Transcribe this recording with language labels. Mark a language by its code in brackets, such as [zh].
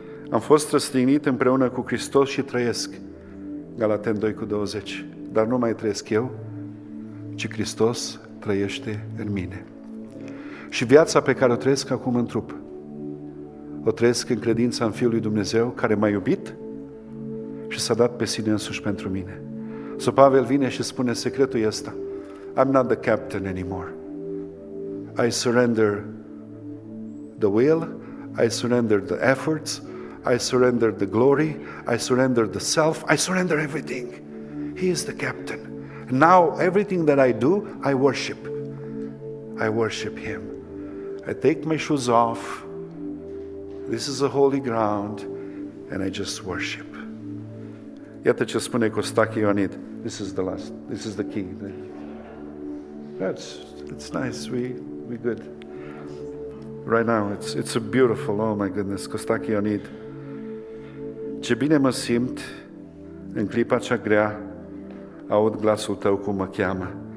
[ro] Am fost răstignit împreună cu Hristos și trăiesc, Galateni 2:20, dar nu mai trăiesc eu, ci Hristos trăiește în mine. Și viața pe care o trăiesc acum în trup, o trăiesc în credința în Fiul lui Dumnezeu, care m-a iubit și s-a dat pe sine însuși pentru mine. So Pavel vine și spune, secretul e ăsta: [en] I'm not the captain anymore. I surrender the will, I surrender the efforts, I surrender the glory, I surrender the self, I surrender everything. He is the captain. Now everything that I do, I worship. I worship him. I take my shoes off. This is a holy ground and I just worship. [ro] Iată ce spune Costache Ioanid. [en] This is the key. That's nice. We good. Right now it's a beautiful. Oh my goodness. Costache Ioanid. [ro] Ce bine mă simt în clipa cea grea, aud glasul tău cum mă cheamă.